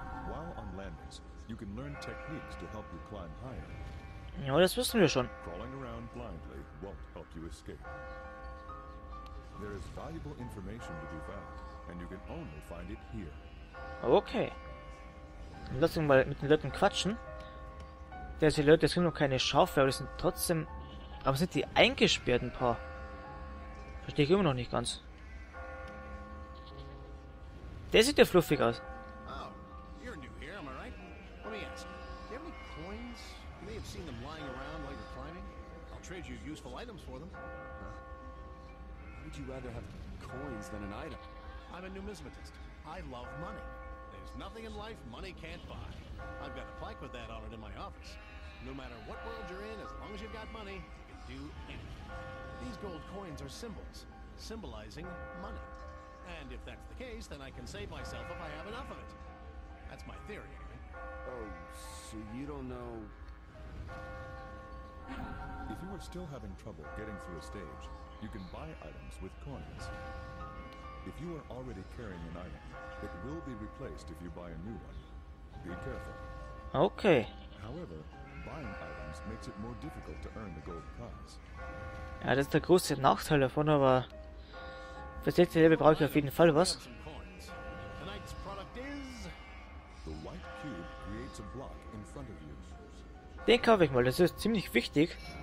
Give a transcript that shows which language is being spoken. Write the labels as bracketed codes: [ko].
[en] While on landings, you can learn techniques to help you climb higher. [de] Ja, das wissen wir schon. [en] Crawling around blindly won't help you escape. There is valuable information to be found, and you can only find it here. Okay. [de] Lass uns mal mit den Leuten quatschen. Diese Leute, das sind noch keine Schafe, aber das sind trotzdem... Aber sind die eingesperrt, ein paar? Verstehe ich immer noch nicht ganz. Der sieht ja fluffig aus. [en] Oh, you're new here, am I right? Let me ask. Do you have any coins? You may have seen them lying around while you're climbing. I'll trade you useful items for them. Huh? Would you rather have coins than an item? I'm a numismatist. I love money. There's nothing in life money can't buy. I've got a plaque with that on it in my office. No matter what world you're in, as long as you've got money, you can do anything. These gold coins are symbols, symbolizing money. And if that's the case, then I can save myself if I have enough of it. That's my theory, anyway. Oh, so you don't know... If you are still having trouble getting through a stage, you can buy items with coins. If you are already carrying an item, it will be replaced if you buy a new one. Be careful. Okay. However, buying items makes it more difficult to earn the gold prize. [de] Ja, das ist der große Nachteil davon, aber für das nächste Level brauche ich auf jeden Fall was. [en] Tonight's product is the white cube creates a block in front of you. [de] Den kaufe ich mal, das ist ziemlich wichtig.